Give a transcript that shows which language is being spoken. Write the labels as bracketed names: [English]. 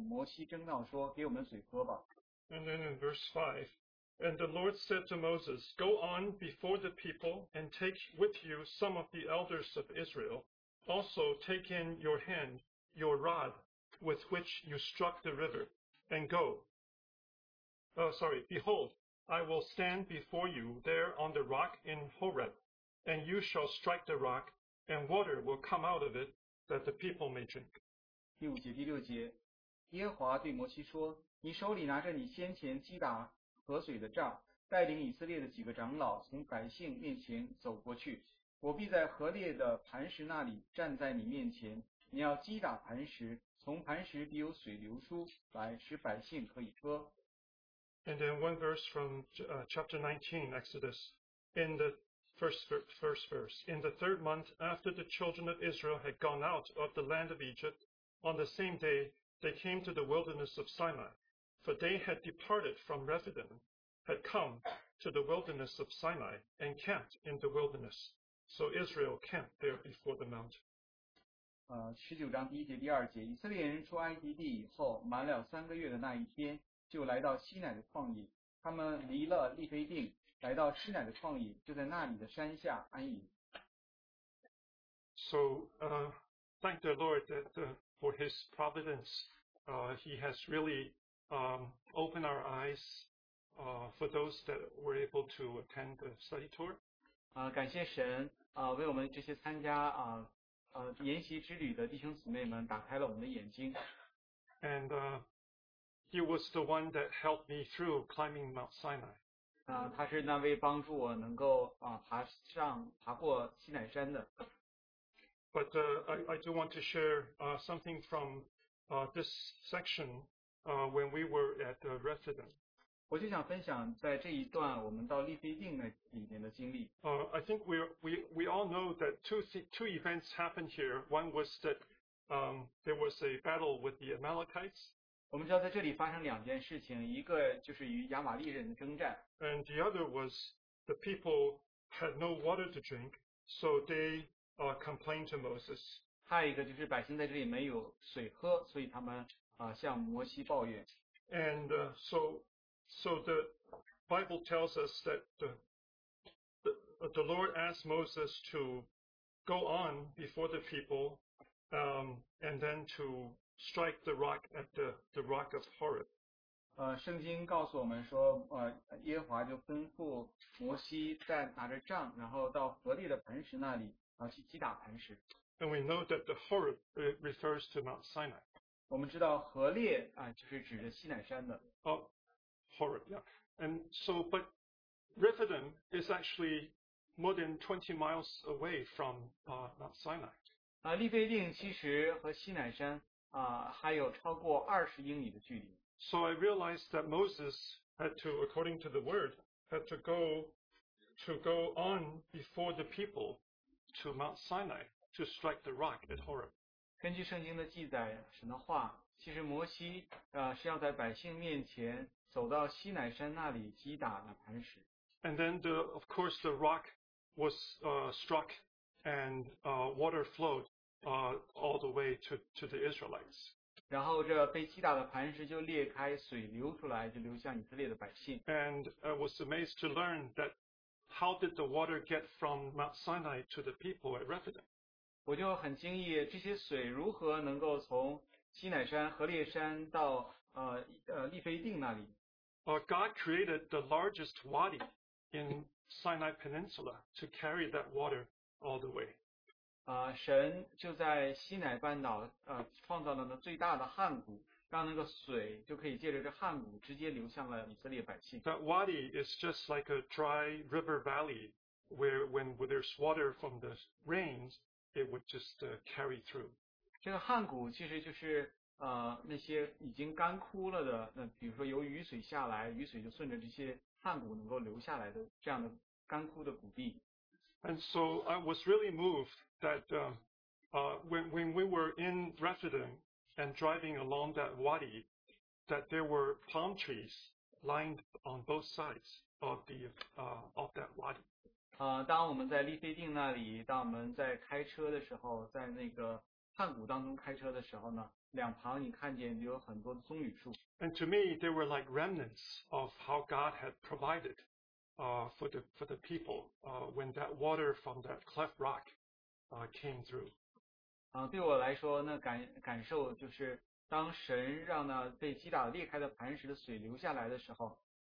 [Chinese] 出埃及记17章第1节第2节，以色列全会众都遵耶和华的吩咐，按着战口从寻的旷野往前行，在利非定安营，百姓没有水喝，所以与摩西争闹说，给我们水喝吧。 [English] And then in verse 5. And the Lord said to Moses, "Go on before the people and take with you some of the elders of Israel. Also take in your hand your rod with which you struck the river, and go. Behold, I will stand before you there on the rock in Horeb, and you shall strike the rock, and water will come out of it that the people may drink. [Chinese] 第五节，第六节，耶和华对摩西说，你手里拿着你先前击打河水的杖，带领以色列的几个长老从百姓面前走过去，我必在河列的磐石那里站在你面前，你要击打磐石，从磐石必有水流出来，使百姓可以喝。 [English] And then one verse from chapter 19, Exodus, in the first verse. In the third month, after the children of Israel had gone out of the land of Egypt, on the same day, they came to the wilderness of Sinai. For they had departed from Rephidim, had come to the wilderness of Sinai, and camped in the wilderness. So Israel camped there before the mountain. [Chinese] 19章第一节第二节，以色列人出埃及地以后，满了三个月的那一天，就来到西乃的旷野。他们离了利非定，来到西乃的旷野，就在那里的山下安营。 [English] So, thank the Lord that for His providence, He has really opened our eyes for those that were able to attend the study tour. [Chinese] 感谢神为我们这些参加研习之旅的弟兄姊妹们打开了我们的眼睛。 [English] And he was the one that helped me through climbing Mount Sinai. [Chinese] 他是那位帮助我能够爬过西乃山的。 [English] But I do want to share something from this section when we were at the Rephidim. [Chinese] 我就想分享在这一段我们到利非定那里面的经历。 [English] I think we all know that two events happened here. One was that there was a battle with the Amalekites. [Chinese] 我们知道在这里发生两件事情，一个就是与亚玛利人的征战。 [English] And the other was the people had no water to drink, so they complained to Moses. [Chinese] 还有一个就是百姓在这里没有水喝，所以他们向摩西抱怨。 [English] And so the Bible tells us that the Lord asked Moses to go on before the people, and then to strike the rock at the rock of Horeb. [Chinese] 圣经告诉我们说，耶和华就吩咐摩西在拿着杖，然后到河列的磐石那里，然后去击打磐石。 [English] And we know that the Horeb refers to Mount Sinai. [Chinese] 我们知道河列就是指着西乃山的。 [English] Horeb, yeah. And so, but Rephidim is actually more than 20 miles away from Mount Sinai. [Chinese] 利非定其实和西乃山还有超过20英里的距离。 [English] So I realized that Moses had to, according to the word, had to go on before the people to Mount Sinai to strike the rock at Horeb. [Chinese] 根据圣经的记载，神的话，其实摩西是要在百姓面前走到西乃山那里击打了磐石。 [English] And then of course the rock was struck and water flowed all the way to the Israelites. [Chinese] 然后这被击打的磐石就裂开，水流出来，就流向以色列的百姓。 [English] And I was amazed to learn that how did the water get from Mount Sinai to the people at Rephidim? [Chinese] 我就很惊异，这些水如何能够从西乃山、河列山到利非定那里。 [English] God created the largest wadi in Sinai Peninsula to carry that water all the way. [Chinese] 神就在西乃半岛创造了那最大的旱谷，让那个水就可以借着这旱谷直接流向了以色列百姓。 [English] That wadi is just like a dry river valley where when there's water from the rains, it would just carry through. [Chinese] 这个旱谷其实就是那些已经干枯了的，那比如说有雨水下来，雨水就顺着这些旱谷能够流下来的这样的干枯的谷地。 [English] And so I was really moved that when we were in Rephidim and driving along that wadi, that there were palm trees lined on both sides of the of that wadi. [Chinese] 当我们在利非定那里，当我们在开车的时候，在那个旱谷当中开车的时候呢，两旁你看见有很多的棕榈树。 [English] And to me, they were like remnants of how God had provided for the people when that water from that cleft rock came through. [Chinese] 对我来说，那感受就是当神让那被击打裂开的磐石的水流下来的时候，